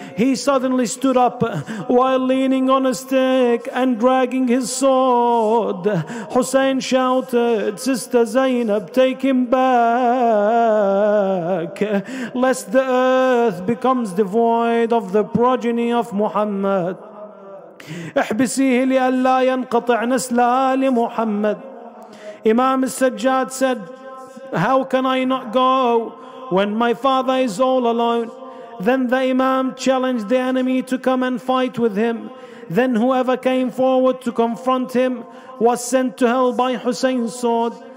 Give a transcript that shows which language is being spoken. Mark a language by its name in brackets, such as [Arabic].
[English] He suddenly stood up while leaning on a stick and dragging his sword. Hussein shouted, Sister Zainab, take him back, lest the earth becomes devoid of the progeny of Muhammad. [Arabic] احبسيه لألا ينقطع نسل آل محمد. [English] Imam Sajjad said, How can I not go when my father is all alone? Then the Imam challenged the enemy to come and fight with him. Then whoever came forward to confront him was sent to hell by Hussein's sword.